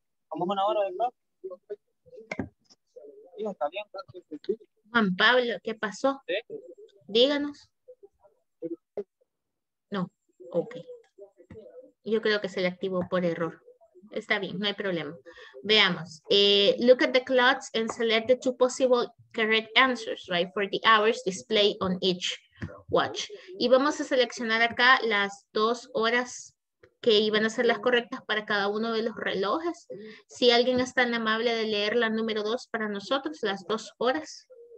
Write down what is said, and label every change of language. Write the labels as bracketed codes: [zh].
[es] Vamos una hora de clase. Juan Pablo, ¿qué pasó? Díganos. No, ok. Yo creo que se le activó por error. Está bien, no hay problema. Veamos. [en] Look at the clocks and select the two possible correct answers, right? For the hours displayed on each watch. [es] Y vamos a seleccionar acá las dos horas que iban a ser las correctas para cada uno de los relojes. Si alguien es tan amable de leer la número dos para nosotros, las dos horas.